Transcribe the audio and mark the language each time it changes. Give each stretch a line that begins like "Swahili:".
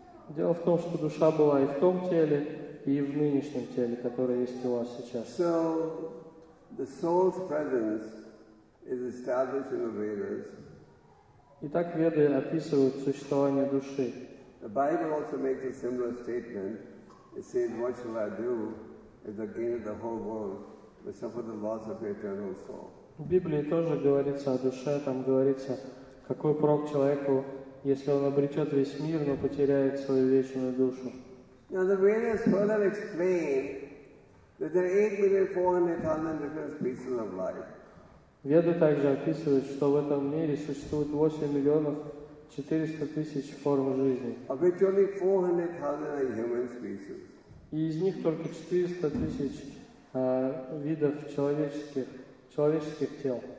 Russian: Дело в том, что душа была и в том теле, и в нынешнем теле, которое есть у вас сейчас.
English: So, the soul's presence is established in the Vedas.
Russian: Итак, Веды описывают существование души.
English: The Bible also makes a similar statement. It says, "What shall I do if I gain the whole world but suffer the loss of the eternal soul?"
Russian: В Библии тоже говорится о душе. Там говорится, какой прок человеку, если он обретет весь мир, но потеряет свою вечную душу.
English: Now the Vedas further explain that there are 8,400,000 different species of life.
Russian: Веды также описывают, что в этом мире существует 8,400,000 форм жизни.
English: Of which only 400,000 are human species.
Russian: И из них только 400,000 видов человеческих тел.